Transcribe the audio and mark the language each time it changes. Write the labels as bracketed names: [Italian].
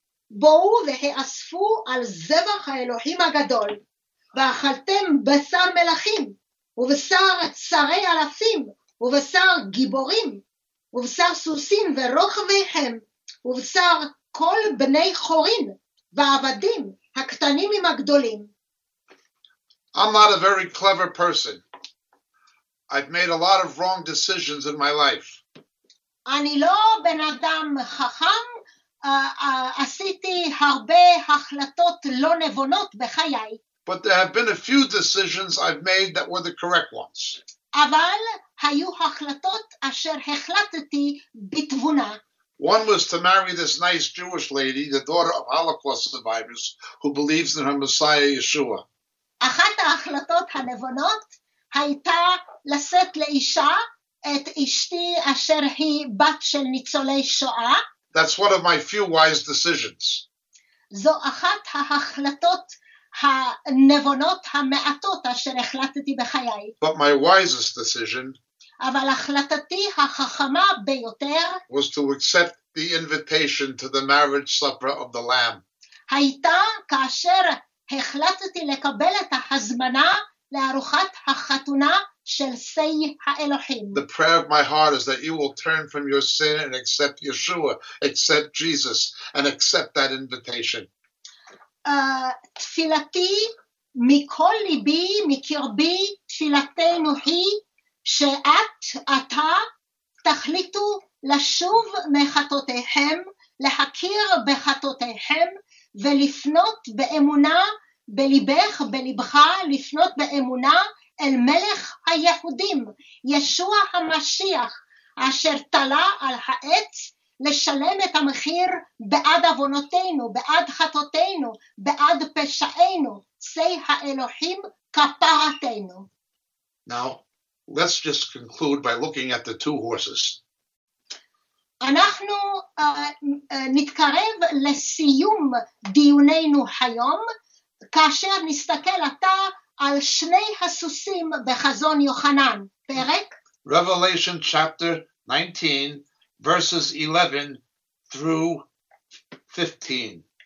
[Hebrew] בואו והאספו על זבח האלוהים הגדול, ואכלתם בשר מלכים, ובשר צרי אלפים, ובשר גיבורים, ובשר סוסים ורוכביהם, ובשר כל בני חורין, ועבדים הקטנים עם הגדולים. [English] I'm not a very clever person. I've made a lot of wrong decisions in my life. [Hebrew] אני לא בן אדם חכם, עשיתי הרבה החלטות לא נבונות בחיי. [English] But there have been a few decisions I've made that were the correct ones. [Hebrew] אבל היו החלטות אשר החלטתי בתבונה. [English] One was to marry this nice Jewish lady, the daughter of Holocaust survivors, who believes in her Messiah Yeshua. [Hebrew] אחת ההחלטות הנבונות הייתה לשאת לאישה את אשתי אשר היא בת של ניצולי שואה. [English] That's one of my few wise decisions. [Hebrew] זו אחת ההחלטות הנבונות המעטות אשר החלטתי בחיי. [English] But my wisest decision, [Hebrew] אבל החלטתי החכמה ביותר, [English] was to accept the invitation to the marriage supper of the Lamb. [Hebrew] הייתה כאשר החלטתי לקבל את ההזמנה לארוחת החתונה של סי האלוהים. [English] The prayer of my heart is that you will turn from your sin and accept Yeshua, accept Jesus, and accept that invitation. [Hebrew] תפילתי מכל ליבי, מקרבי, תפילתנו היא שאת, אתה, תחליטו לשוב מחטאותיכם, להכיר בחטאותיכם, ולפנות באמונה בליבך, בליבך, לפנות באמונה אל מלך היהודים, ישוע המשיח, אשר תלה על העץ, לשלם את המחיר בעד עוונותינו, בעד חטאותינו, בעד פשענו, צי האלוהים כפרתנו. [English] Now, let's just conclude by looking at the two horses. [Hebrew] אנחנו נתקרב לסיום דיוננו היום, כאשר נסתכל אתה על שני הסוסים בחזון יוחנן. פרק? [English] Revelation chapter 19. Verses 11 through 15.